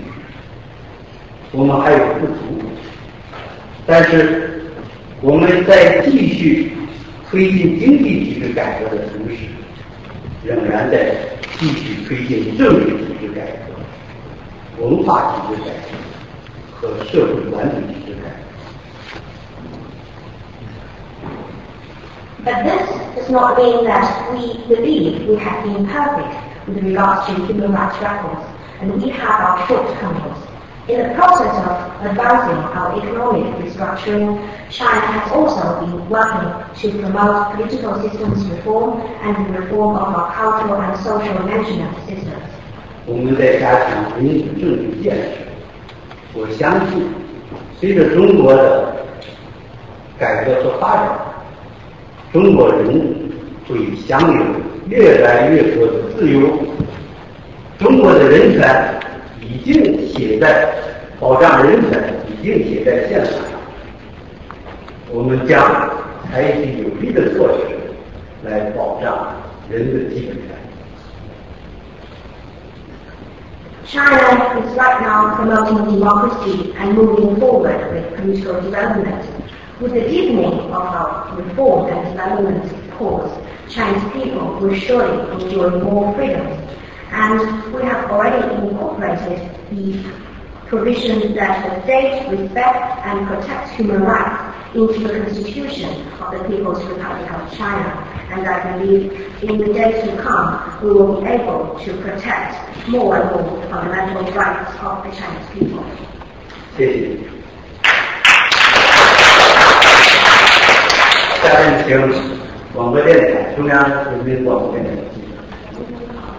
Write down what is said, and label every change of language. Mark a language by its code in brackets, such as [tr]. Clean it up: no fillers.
[zh] 我们并不认为我们在人权问题上做的都是尽善尽美，我们还有不足。但是我们在继续推进经济体制改革的同时，仍然在继续推进政治体制改革、文化体制改革和社会管理体制改革。 [en] But this does not mean that we believe we have been perfect with regards to human rights records, and we have our shortcomings. In the process of advancing our economic restructuring, China has also been working to promote political systems reform and the reform of our cultural and social management systems. [zh] 我们在加强民主政治建设，我相信随着中国的改革和发展，中国人会享有越来越多的自由，中国的人权已经写在保障人权已经写在宪法上，我们将采取有力的措施来保障人的基本权。 [en] China is right now promoting democracy and moving forward with political development. With the deepening of our reform and development course, Chinese people will surely enjoy more freedoms. And we have already incorporated the provision that the state respects and protects human rights into the Constitution of the People's Republic of China. And I believe in the days to come, we will be able to protect more and more fundamental rights of the Chinese people. Thank you. [zh] 下面请广播电台中央人民广播电台。